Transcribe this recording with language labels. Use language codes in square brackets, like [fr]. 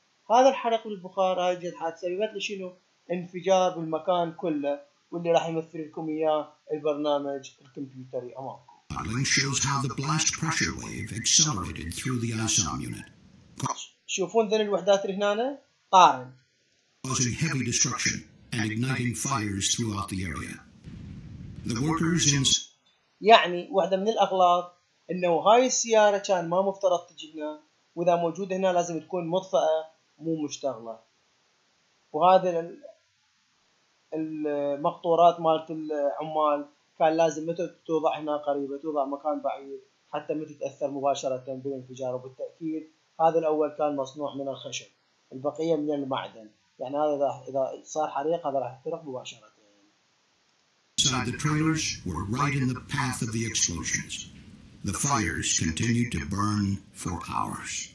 [ar] هذا الحرق بالبخار هاي الجدحات سببت لشنو انفجار بالمكان كله، واللي راح يمثل لكم اياه البرنامج الكمبيوتري امامكم. [en] Modeling shows how the blast pressure wave accelerated through the ISOM unit. [ar] شوفون ذن الوحدات اللي هنا طارن. [en] Causing heavy destruction and igniting fires throughout the area. The workers in. [ar] يعني واحدة من الأغلاط إنه هاي السيارة كان ما مفترض تجينا، وإذا موجودة هنا لازم تكون مطفأة مو مشتغلة. وهذا المقطورات مالت العمال. كان لازم متى توضع هنا قريبة توضع مكان بعيد حتى متى تتأثر مباشرة بالانفجار، وبالتأكيد هذا الأول كان مصنوع من الخشب البقية من المعدن، يعني هذا إذا صار حريق هذا راح يحترق مباشرة. [en] Inside the trailers were right in the path of the explosions. The fires continued to burn for hours.